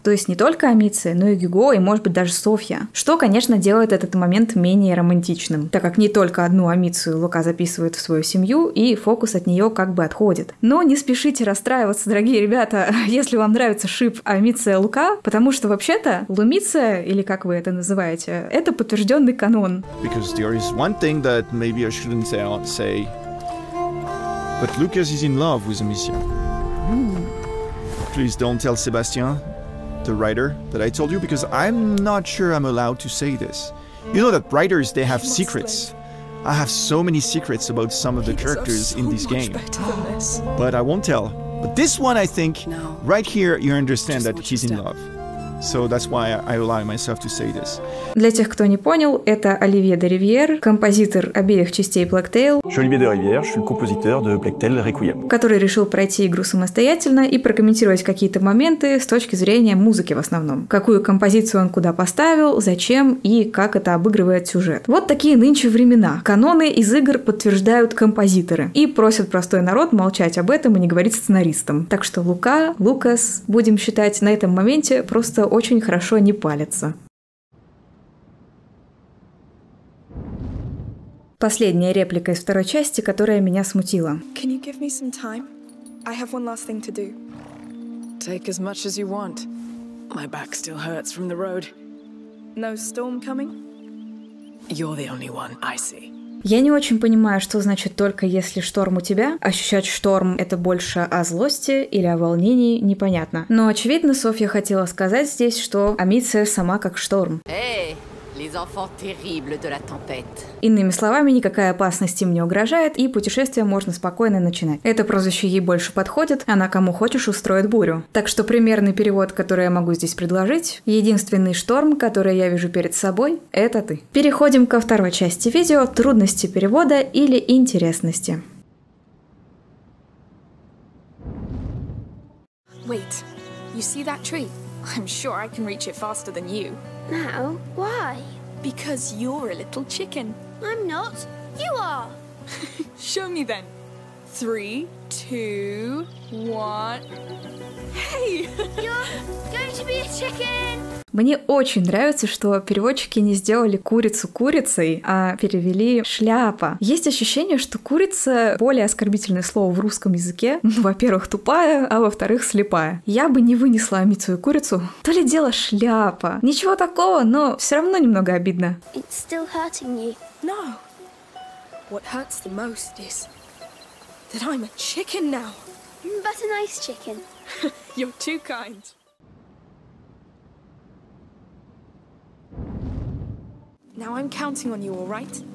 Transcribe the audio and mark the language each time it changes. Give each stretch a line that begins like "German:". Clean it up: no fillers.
Russian: То есть не только Амиция, но и Гюго, и, может быть, даже Софья. Что, конечно, делает этот момент менее романтичным, так как не только одну Амицию Лука записывает в свою семью, и фокус от нее как бы отходит. Но не спешите расстраиваться, дорогие ребята, если вам нравится шип Амиция Лука, потому что, вообще-то, Лумиция, или как вы это называете, это подтвержденный канон.
English: There is one thing that maybe I shouldn't say, but Lucas is in love with Amicia. Please don't tell Sebastian, the writer, that I told you, because I'm not sure I'm allowed to say this. You know that writers, they have secrets. I have so many secrets about some of the characters in this game, but I won't tell. But this one, I think, right here, you understand that he's in love. So that's why I allow myself to say this.
Russian: Для тех, кто не понял, это Оливье де Ривьер, композитор обеих частей Blacktail.
French: Je suis Olivier de Rivière, je suis compositeur de Blacktail Requiem.
Russian: Который решил пройти игру самостоятельно и прокомментировать какие-то моменты с точки зрения музыки в основном. Какую композицию он куда поставил, зачем и как это обыгрывает сюжет. Вот такие нынче времена. Каноны из игр подтверждают композиторы. И просят простой народ молчать об этом и не говорить сценаристам. Так что Лука, Лукас, будем считать, на этом моменте просто очень хорошо не палится. Последняя реплика из второй части, которая меня смутила.
English: Can you give me some time? I have one last thing to do. Take as much as you want. My back still hurts from the road. No storm coming? You're the only one I see.
Russian: Я не очень понимаю, что значит «только если шторм у тебя». Ощущать шторм — это больше о злости или о волнении, непонятно. Но, очевидно, Софья хотела сказать здесь, что Амиция сама как шторм.
French: Эй, les enfants terribles de la tempête.
Russian: Иными словами, никакая опасность им не угрожает, и путешествие можно спокойно начинать. Это прозвище ей больше подходит, она кому хочешь устроит бурю. Так что примерный перевод, который я могу здесь предложить, единственный шторм, который я вижу перед собой, это ты. Переходим ко второй части видео, трудности перевода или интересности.
English: Wait, you see that tree? I'm sure I can reach it faster than you. Now, why? Because you're a little chicken. I'm not. You are. Show me then. 3, 2, 1. Hey! You're going to be a chicken!
Russian: Мне очень нравится, что переводчики не сделали курицу курицей, а перевели шляпа. Есть ощущение, что курица — более оскорбительное слово в русском языке. Ну, во-первых, тупая, а во-вторых, слепая. Я бы не вынесла Амицию и курицу. То ли дело шляпа. Ничего такого, но все равно немного обидно.
English: It's still hurting you. No. What hurts the most is that I'm a chicken now. But a nice chicken. You're too kind. Now I'm counting on you, all right?